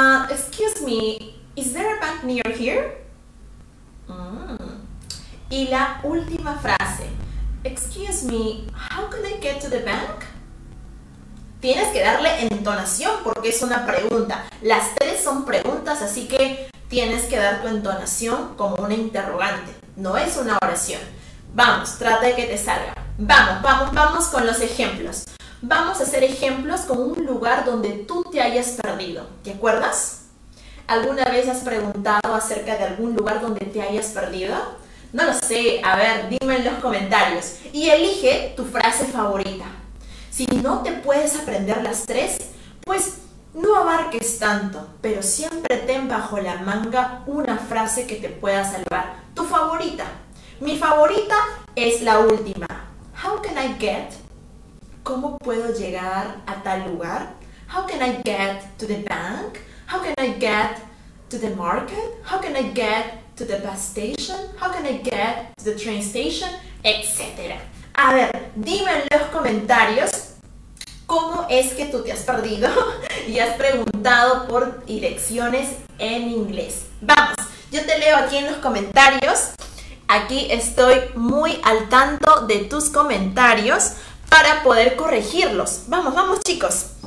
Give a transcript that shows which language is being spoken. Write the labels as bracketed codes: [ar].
[en] Excuse me, is there a bank near here? [es] Y la última frase. [en] Excuse me, how can I get to the bank? [es] Tienes que darle entonación porque es una pregunta. Las 3 son preguntas, así que tienes que dar tu entonación como una interrogante. No es una oración. Vamos, trata de que te salga. Vamos, vamos, vamos con los ejemplos. Vamos a hacer ejemplos con un lugar donde tú te hayas perdido. ¿Te acuerdas? ¿Alguna vez has preguntado acerca de algún lugar donde te hayas perdido? No lo sé. A ver, dime en los comentarios. Y elige tu frase favorita. Si no te puedes aprender las 3, pues no abarques tanto, pero siempre ten bajo la manga una frase que te pueda salvar. Tu favorita. Mi favorita es la última. [en] How can I get? [es] ¿Cómo puedo llegar a tal lugar? [en] How can I get to the bank? How can I get to the market? How can I get to the bus station? How can I get to the train station? [es] Etcétera. A ver, dime en los comentarios cómo es que tú te has perdido y has preguntado por direcciones en inglés. Vamos, yo te leo aquí en los comentarios. Aquí estoy muy al tanto de tus comentarios para poder corregirlos. Vamos, vamos, chicos.